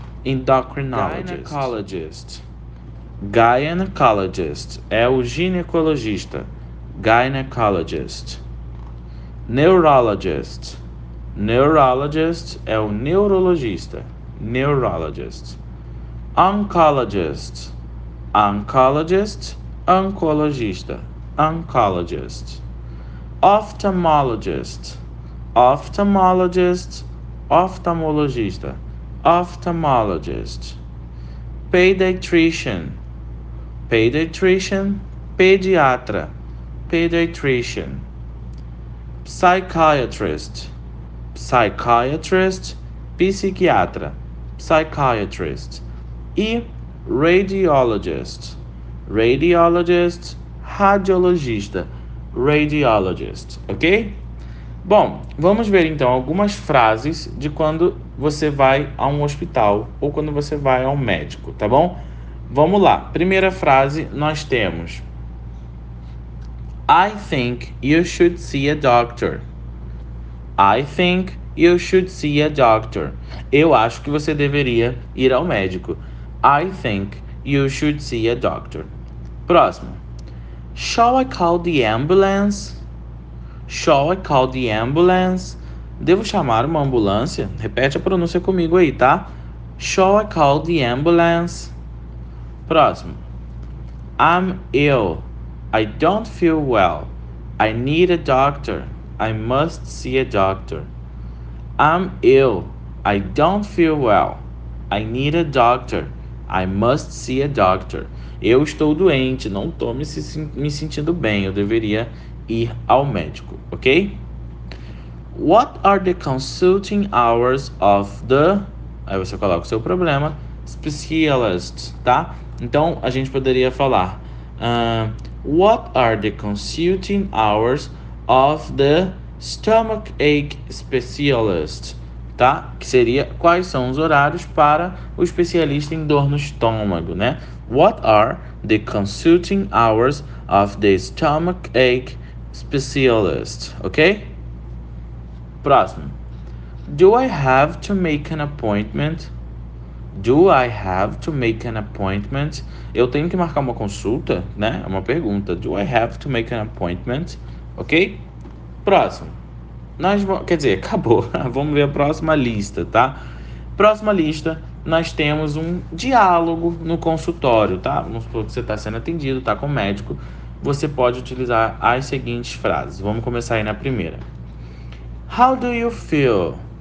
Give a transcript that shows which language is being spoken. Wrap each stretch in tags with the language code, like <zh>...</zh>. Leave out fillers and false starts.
<pt>Endocrinologist. Gynecologist é o ginecologista.</pt> <en>Gynecologist. Neurologist.</en> <pt>Neurologist é o neurologista.</pt> <en>Neurologist. Oncologist, oncologist, oncologista, oncologist. Ophthalmologist, ophthalmologist, oftalmologista, ophthalmologist. Pediatrician. Pediatrician, pediatra. Pediatrician. Psychiatrist. Psychiatrist, psiquiatra. Psychiatrist. E radiologist. Radiologist, radiologista. Radiologist, ok?</en> <pt>Bom, vamos ver então algumas frases de quando você vai a um hospital ou quando você vai a um médico, tá bom? Vamos lá. Primeira frase nós temos:</pt> <en>I think you should see a doctor. I think you should see a doctor.</en> <pt>Eu acho que você deveria ir ao médico.</pt> <en>I think you should see a doctor. Próximo. Shall I call the ambulance? Shall I call the ambulance?</en> <pt>Devo chamar uma ambulância? Repete a pronúncia comigo aí, tá?</pt> <en>Shall I call the ambulance? Próximo. I'm ill. I don't feel well. I need a doctor. I must see a doctor. I'm ill. I don't feel well. I need a doctor. I must see a doctor.</en> <pt>Eu estou doente, não estou me sentindo bem. Eu deveria ir ao médico, ok?</pt> <en>What are the consulting hours of the...</en> <pt>Aí você coloca o seu problema. Specialist, tá? Então, a gente poderia falar...</pt> <en>What are the consulting hours of the stomach ache specialist, tá?</en> <pt>Que seria quais são os horários para o especialista em dor no estômago, né?</pt> <en>What are the consulting hours of the stomach ache specialist, ok? Próximo. Do I have to make an appointment? Do I have to make an appointment?</en> <pt>Eu tenho que marcar uma consulta, né? É uma pergunta.</pt> <en>Do I have to make an appointment?</en> <pt>Ok? Próximo. Nós vamos... Quer dizer, acabou. Vamos ver a próxima lista, tá? Próxima lista, nós temos um diálogo no consultório, tá? Vamos supor que você está sendo atendido, tá com o médico. Você pode utilizar as seguintes frases. Vamos começar aí na primeira.</pt> <en>How do you feel?</en>